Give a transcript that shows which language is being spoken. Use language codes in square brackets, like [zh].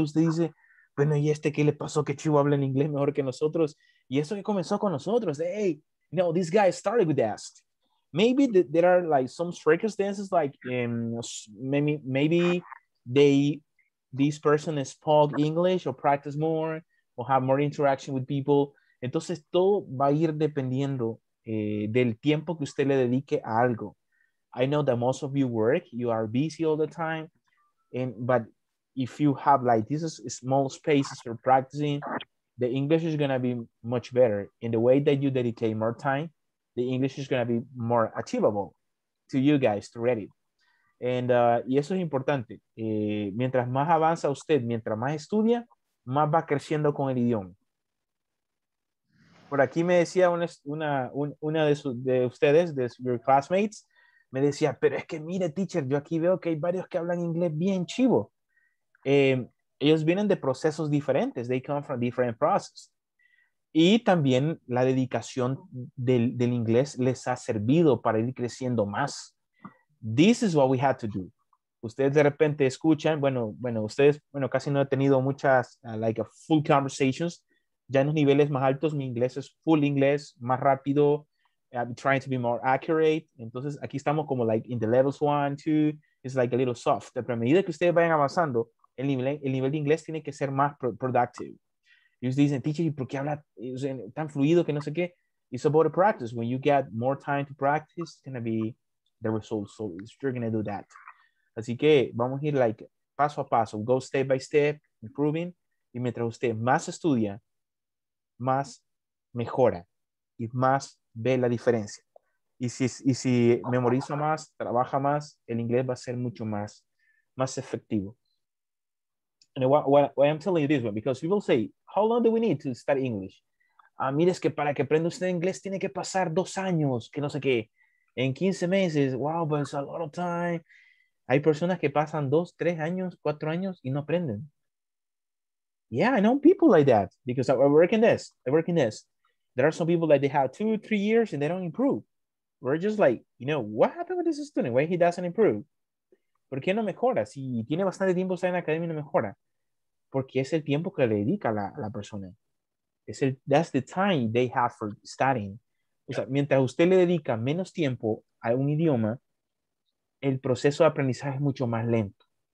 [es] Usted dice, bueno, ¿y este qué le pasó? Que chivo habla en inglés mejor que nosotros. Y eso que comenzó con nosotros. [en] Hey, no, this guy started with us. Maybe there are like some circumstances, like maybe this person spoke English or practice more or have more interaction with people. [es] Entonces, todo va a ir dependiendo del tiempo que usted le dedique a algo. [en] I know that most of you work, you are busy all the time, but if you have like this small spaces for practicing, the English is going to be much better. In the way that you dedicate more time, the English is going to be more achievable to you guys to read it. [es] Y eso es importante. Mientras más avanza usted, mientras más estudia, más va creciendo con el idioma. Por aquí me decía una de ustedes, de [en] your classmates, [es] me decía, pero es que mire, teacher, yo aquí veo que hay varios que hablan inglés bien chivo. Ellos vienen de procesos diferentes. [en] They come from different processes. [es] Y también la dedicación del inglés les ha servido para ir creciendo más. [en] This is what we had to do. [es] Ustedes de repente escuchan, bueno, casi no he tenido muchas, [en] like a full conversations. [es] Ya en los niveles más altos, mi inglés es full inglés, más rápido. [en] I'm trying to be more accurate. [es] Entonces, aquí estamos como [en] like in the levels 1, 2. It's like a little soft. [es] Pero a medida que ustedes vayan avanzando, el nivel de inglés tiene que ser más productive. Y ustedes dicen, teacher, ¿y por qué habla tan fluido que no sé qué? [en] It's about a practice. When you get more time to practice, it's going to be the result. So you're going to do that. [es] Así que vamos a ir like paso a paso. [en] Go step by step, improving. [es] Y mientras usted más estudia, más mejora y más ve la diferencia. Y si memoriza más, trabaja más, el inglés va a ser mucho más efectivo. [en] And why I'm telling you this one, because people say, how long do we need to study English? [es] Mire, es que para que aprenda usted inglés tiene que pasar 2 años, que no sé qué. En 15 meses, [en] wow, but it's a lot of time. [es] Hay personas que pasan 2, 3 años, 4 años y no aprenden. [en] Yeah, I know people like that because I work in this. There are some people that they have 2, 3 years and they don't improve. We're just like, you know, what happened with this student? Why he doesn't improve? [es] ¿Por qué no mejora? Si tiene bastante tiempo está en la academia y no mejora. Porque es el tiempo que le dedica la persona. [en] That's the time they have for studying. [es] O sea, mientras usted le dedica menos tiempo a un idioma, el proceso de aprendizaje es mucho más lento.